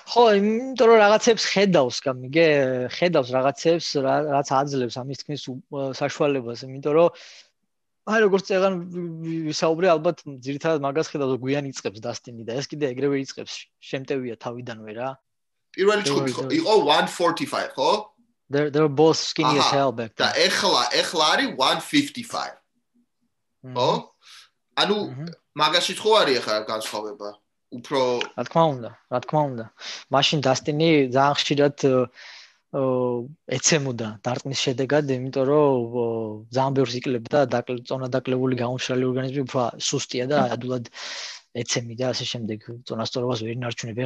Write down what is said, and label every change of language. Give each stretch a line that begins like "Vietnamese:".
Georgian: ხო, იმიტომ რომ რაღაცებს ხედავს, გამიგე, ხედავს რაღაცებს რაც აძლევს ამის თქმის საშუალებას, იმიტომ რომ აი როგორც წეგან ვისაუბრე ალბათ ძირითადად მაგას ხედავს გვიან იწებს დასტინი და ეს კიდე ეგრევე იწებს შემტევია თავიდანვე რა. პირველი ჯგუფი იყო 145, ხო?
English: They're both skinny as hell back then.
Georgian: და ეხლა არის 155. ხო? ანუ მაგაში თქო არის ახლა განსხვავება. უფრო რა თქმა უნდა. მაშინ დასტინი ძალიან ხშირად ეცემოდა დარტყმის შედეგად, იმიტომ რომ ძალიან ბევრს იკლებდა, დაკლწონა დაკლებული გამომშრალი ორგანიზმი უფრო სუსტია და ადულად ეცემიდა, ასე შემდეგ წონასწორობას ვერ ინარჩუნებ.